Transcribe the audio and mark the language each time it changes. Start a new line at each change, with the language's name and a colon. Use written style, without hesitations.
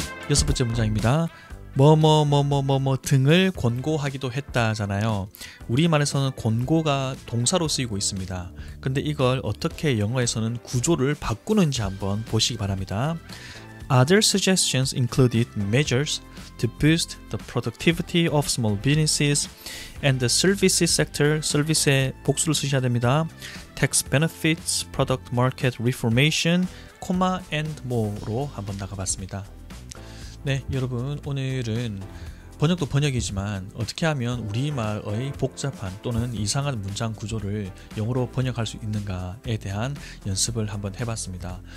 Korean: 여섯 번째 문장입니다. 뭐뭐뭐뭐뭐뭐 등을 권고하기도 했다잖아요. 우리말에서는 권고가 동사로 쓰이고 있습니다. 근데 이걸 어떻게 영어에서는 구조를 바꾸는지 한번 보시기 바랍니다.
English: Other suggestions included measures to boost the productivity of small businesses and the services sector.
Korean: 서비스의 복수를 쓰셔야 됩니다.
English: Tax benefits, product market reformation, comma and more로
Korean: 한번 나가봤습니다. 네, 여러분 오늘은 번역도 번역이지만 어떻게 하면 우리말의 복잡한 또는 이상한 문장 구조를 영어로 번역할 수 있는가에 대한 연습을 한번 해봤습니다.